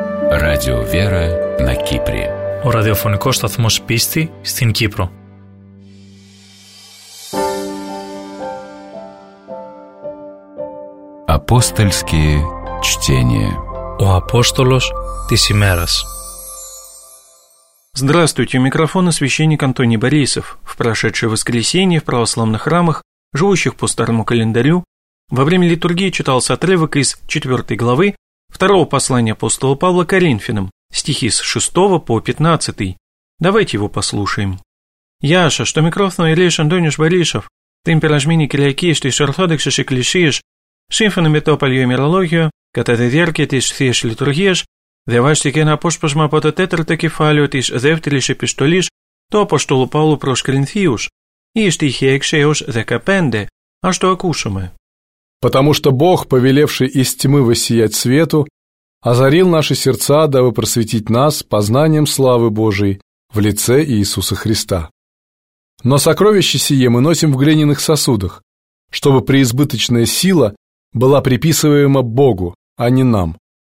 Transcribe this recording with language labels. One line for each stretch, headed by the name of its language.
Russian: Radio Vera na Kipri.
Greek: Ο ραδιοφωνικός σταθμός πίστη στην Κύπρο.
Russian: Апостольские чтения.
Greek: Ο Апостолος της ημέρας.
Russian: Здравствуйте, у микрофона священник Антоний Борисов. В прошедшее воскресенье в православных храмах, живущих по старому календарю, во время литургии читался отрывок из 4 главы 2 послания апостола Павла Коринфянам, стихи с 6 по 15. Давайте его послушаем.
Greek: Яша, что микрофон Ильиш Антониш Борисов, ты пиражмини кириакиш, ты шорходыкшиш и клишиш, σύμφωνα με το παλιό ημερολόγιο, κατά τη διάρκεια της Θείας Λειτουργίας, διαβάστηκε ένα απόσπασμα από το 4ο κεφάλαιο της δεύτερης επιστολής του Αποστόλου Παύλου προς Κρινθίους, η στίχη 6 έως 15. Ας το ακούσουμε.
Russian: «Потому что Бог, повелевший из тьмы воссиять свету, озарил наши сердца, дабы просветить нас познанием славы Божией в лице Иисуса Христа. Но сокровище сие мы носим в глиняных сосудах, чтобы преизбыточная сила была приписываема Богу, а не нам.